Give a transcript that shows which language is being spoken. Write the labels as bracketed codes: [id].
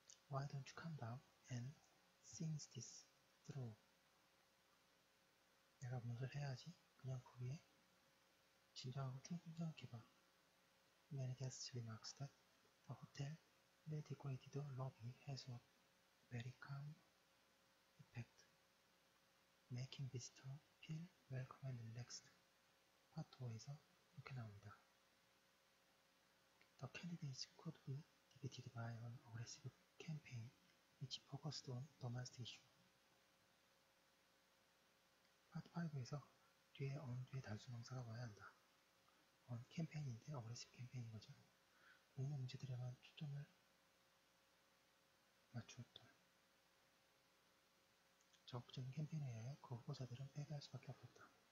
[en] Why don't you calm down and think this through? [ko] 내가 무엇을 해야지? 그냥 거기에 진정하고 충분히 생각해봐. [en] Many guests remarks that the hotel redecorated the lobby has a very calm effect, making visitor feel welcome and relaxed. [ko] Part 5에서 이렇게 나옵니다. [en] The candidates could be defeated by an aggressive campaign which focused on domestic issue. [ko] Part 5에서 뒤에 언두의 단순 명사가 와야 한다. [en] On campaign인데 aggressive campaign인 거죠. [ko] 모든 문제들에만 초점을 맞추었던 적극적인 캠페인에 의해 거부자들은 패배할 수밖에 없었다.